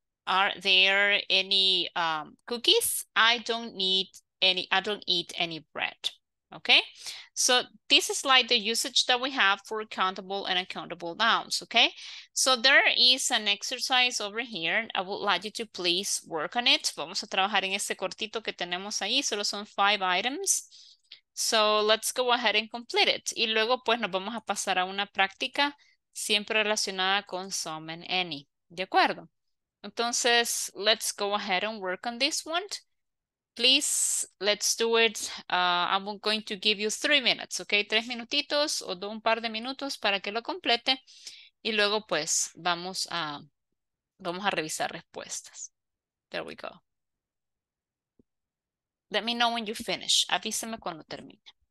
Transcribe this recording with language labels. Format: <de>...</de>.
<en>Are there any cookies? I don't eat any bread, okay? So this is like the usage that we have for countable and uncountable nouns, okay? So there is an exercise over here. I would like you to please work on it.</en> <es>Vamos a trabajar en este cortito que tenemos ahí. Solo son 5 items.</es> <en>So let's go ahead and complete it.</en> <es>Y luego pues nos vamos a pasar a una práctica siempre relacionada con some and any, ¿de acuerdo? Entonces,</es> <en>let's go ahead and work on this one. Please, let's do it. I'm going to give you 3 minutes, okay?</en> <es>3 minutitos o un par de minutos para que lo complete. Y luego, pues, vamos a revisar respuestas.</es> <en>There we go. Let me know when you finish.</en> <es>Avísame cuando termine.</es>